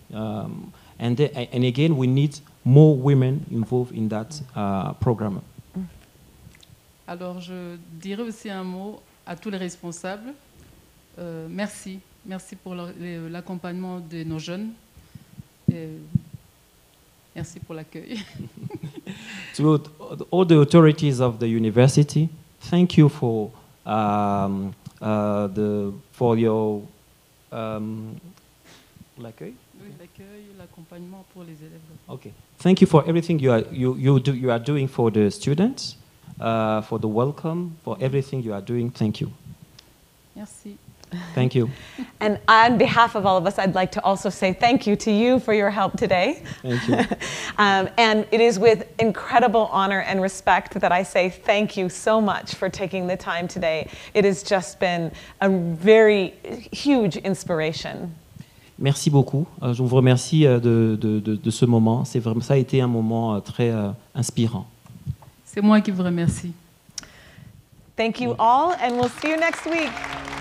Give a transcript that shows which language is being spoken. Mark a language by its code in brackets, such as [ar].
[en] And again, we need more women involved in that program. [fr] Alors, je dirais aussi un mot à tous les responsables. Merci. Merci pour l'accompagnement de nos jeunes. Merci pour l'accueil. [en] To all the authorities of the university, thank you for l'accueil. [fr] Oui, l'accueil, l'accompagnement pour les élèves. [en] Okay. Thank you for everything you are doing for the students, for the welcome, for everything you are doing. Thank you. [fr] Merci. [en] Thank you. And on behalf of all of us, I'd like to also say thank you to you for your help today. Thank you. And it is with incredible honor and respect that I say thank you so much for taking the time today. It has just been a very huge inspiration. [fr] Merci beaucoup. Je vous remercie de ce moment. C'est vraiment, ça a été un moment très inspirant. C'est moi qui vous remercie. [en] Thank you all, and we'll see you next week.